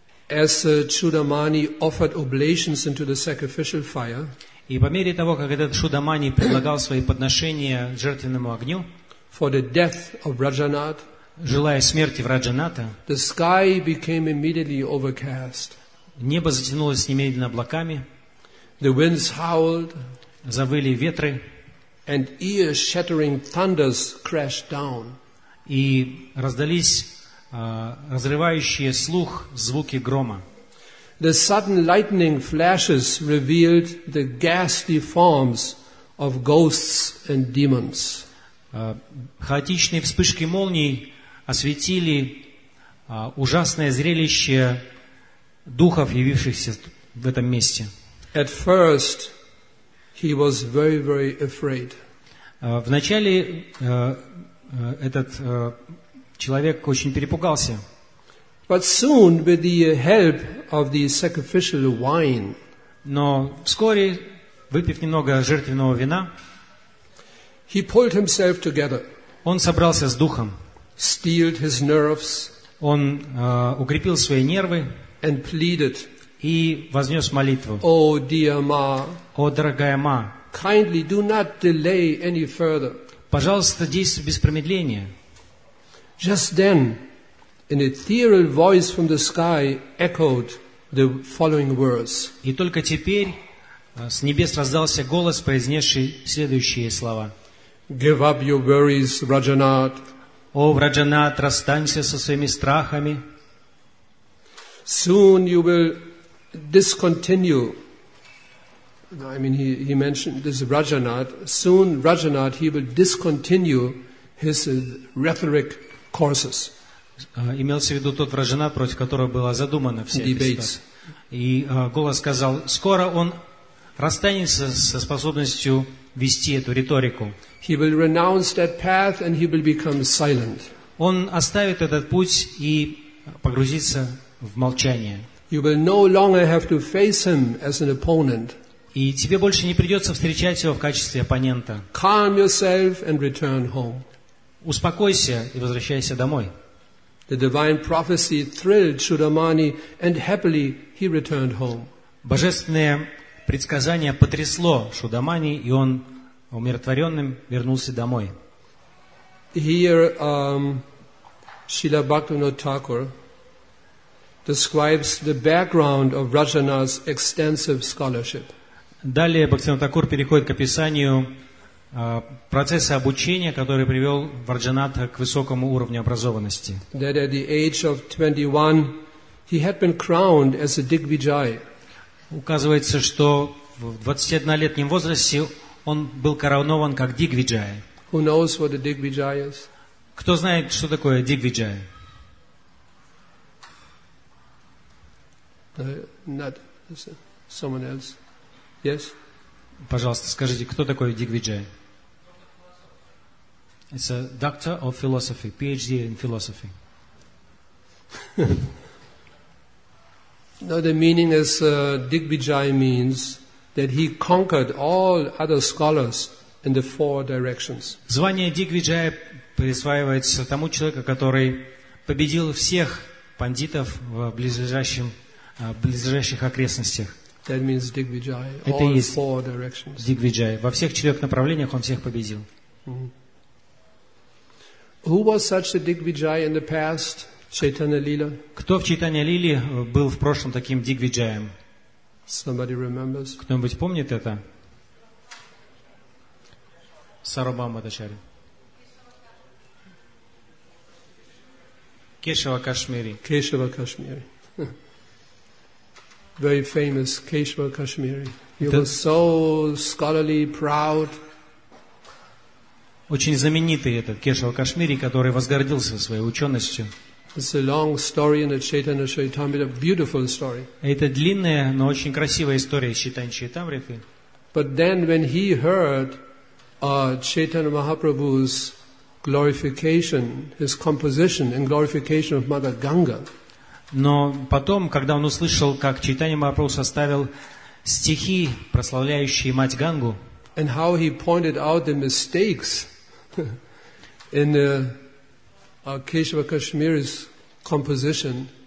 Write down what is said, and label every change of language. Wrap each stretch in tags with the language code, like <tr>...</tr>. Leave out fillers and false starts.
<en>As Чудамани offered oblations into the sacrificial fire.</en> <ru>И по мере того, как этот Чудамани предлагал свои подношения жертвенному огню.</ru> <en>For the death of Раджанат.</en> <ru>Желая смерти Раджаната.</ru> <en>The sky became immediately overcast.</en> <ru>Небо затянулось немедленно облаками.</ru> <en>The winds howled.</en> <ru>Завыли ветры.</ru> <en>And ear-shattering thunders crashed down.</en> <ru>И раздались разрывающие слух звуки грома.</ru> <en>The sudden lightning flashes revealed the ghastly forms of ghosts and demons.</en> <ru>Хаотичные вспышки молний осветили ужасное зрелище духов, явившихся в этом месте.</ru> <en>At first, he was very, very afraid.</en> <ru>Вначале этот человек очень перепугался.</ru> <en>But soon, with the help of the sacrificial wine,</en> <ru>но вскоре, выпив немного жертвенного вина,</ru> <en>he pulled himself together.</en> <ru>Он собрался с духом.</ru> <en>Steeled his nerves.</en> <ru>Он укрепил свои нервы.</ru> <en>And pleaded.</en> <ru>И вознес молитву.</ru> <en>О, dear Ma,</en> <ru>о, дорогая Ма,</ru> <en>kindly do not delay any further.</en> <ru>Пожалуйста, действуй без промедления.</ru> <en>Just then, an ethereal voice from the sky echoed the following words.</en> <ru>И только теперь с небес раздался голос, произнесший следующие слова.</ru> <en>Give up your worries, Rajanath.</en> <ru>О, Раджанат, расстанься со своими страхами.</ru> <en>Soon you will discontinue. I mean, he mentioned this Rajanath. Soon Rajanath, he will discontinue his rhetoric courses.</en> <ru>Имелся в виду тот Раджанат, против которого была задумана вся</ru> <en>debates.</en> <ru>Эта ситуация. И голос сказал, скоро он расстанется со способностью вести эту риторику.</ru> <en>He will renounce that path and he will become silent.</en> <ru>Он оставит этот путь и погрузится в молчание.</ru> <en>You will no longer have to face him as an opponent.</en> <ru>И тебе больше не придется встречать его в качестве оппонента.</ru> <en>Calm yourself and return home.</en> <ru>Успокойся и возвращайся домой.</ru> <en>The divine prophecy thrilled Чудамани and happily he returned home.</en> <ru>Божественное предсказание потрясло Чудамани, и он умиротворенным вернулся домой.</ru> <en>Here, Srila Bhaktivinoda Thakur describes the background of Rajanath's extensive scholarship.</en> <ru>Далее Бхактивинода Такур переходит к описанию процесса обучения, который привел Раджанатха к высокому уровню образованности.</ru> <en>That at the age of 21 he had been crowned as a Digvijay.</en> <ru>Указывается, что в 21-летнем возрасте он был коронован как Дигвиджай.</ru> <en>Who knows what a Digvijay is?</en> <ru>Кто знает, что такое Дигвиджай?</ru> <en>Not someone else. Yes?</en> <ru>Пожалуйста, скажите, кто такой Дигвиджай?</ru> <en>It's a doctor of philosophy, PhD in philosophy. No, the meaning is Дигвиджай means that he conquered all other scholars in the four directions.</en> <ru>Звание Дигвиджая присваивается тому человеку, который победил всех пандитов в близлежащих окрестностях.</ru> <en>That means Дигвиджай, all four directions. Дигвиджай.</en> <ru>Во всех четырех направлениях он всех победил.</ru> <en>Who was such a Дигвиджай in the past, Чайтанья Лила?</en> <ru>Кто в Чайтанья Лиле был в прошлом таким Дигвиджаем?</ru> <en>Somebody remembers.</en> <ru>Кто-нибудь помнит это? Сарва Мадхачари. Кешава Кашмири. Кешава Кашмири.</ru> <en>Very famous Кешава Кашмири. He was so scholarly, proud.</en> <ru>Очень знаменитый этот Кешава Кашмири, который возгордился своей ученостью.</ru> <en>It's a long story in the Chaitanya Charitamrita, beautiful story.</en> <ru>Это длинная, но очень красивая история из Чайтаньи Чайтамриты.</ru> <en>But then when he heard Chaitanya Mahaprabhu's glorification, his composition in glorification of Mother Ganga.</en> <ru>Но потом, когда он услышал, как Чайтанья Махапрабху составил стихи, прославляющие Мать Гангу,</ru> <en>and how he pointed out the mistakes in the Кешава Кашмири's composition.</en>